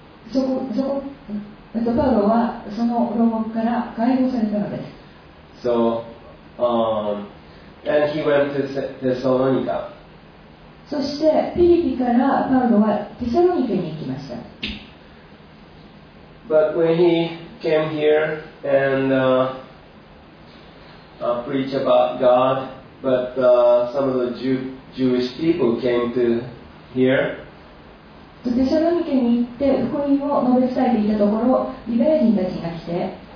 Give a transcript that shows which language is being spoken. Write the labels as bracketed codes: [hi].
[ja] そこパウロはその牢獄から解放されたのです。 [en] So, and he went to Thessalonica. [ja] そしてフィリピからパウロはテサロニケに行きました。 [en] But when he came here and preached about God, but some of the Jewish people came to here. [ja] テサロニケに行って福音を述べ伝えていたところ、ユダヤ人たちが来て、